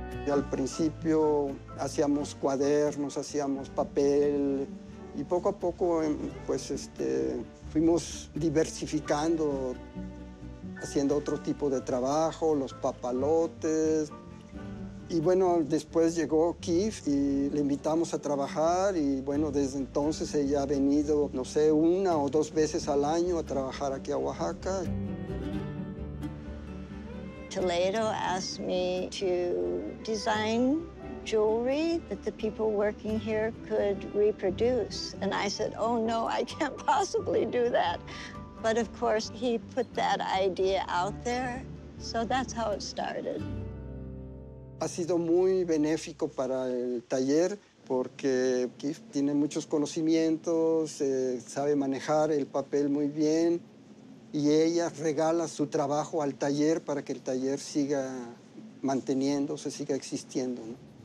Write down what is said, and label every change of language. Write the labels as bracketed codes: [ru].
[es] Al principio hacíamos cuadernos, hacíamos papel y poco a poco pues fuimos diversificando, haciendo otro tipo de trabajo, los papalotes. Y bueno, después llegó Kiff y le invitamos a trabajar y bueno, desde entonces ella ha venido, no sé, una o dos veces al año a trabajar aquí a Oaxaca. [en] Toledo asked me to design jewelry that the people working here could reproduce. And I said, oh no, I can't possibly do that. But of course, he put that idea out there. So that's how it started. [es] Ha sido muy benéfico para el taller porque Kiff tiene muchos conocimientos, sabe manejar el papel muy bien. Y ella regala su trabajo al taller para que el taller siga manteniéndose, siga existiendo, ¿no?